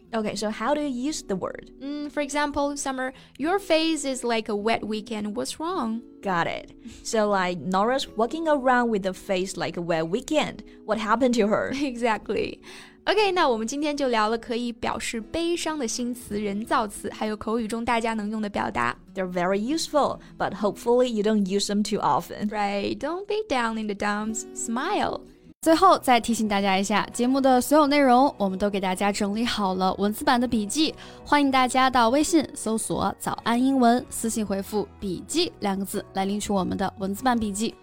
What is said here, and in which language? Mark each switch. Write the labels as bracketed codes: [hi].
[en] Okay, so how do you use the word?、 For example, Summer, your face is like a wet weekend, what's wrong? Got it So like Nora's walking around with a face like a wet weekend What happened to her? [zh] Exactly Okay, 那我们今天就聊了可以表示悲伤的新词、人造词，还有口语中大家能用的表达。 [en] They're very useful, but hopefully you don't use them too often. Right, don't be down in the dumps, smile. [zh] 最后再提醒大家一下，节目的所有内容我们都给大家整理好了文字版的笔记，欢迎大家到微信搜索早安英文，私信回复笔记两个字来领取我们的文字版笔记。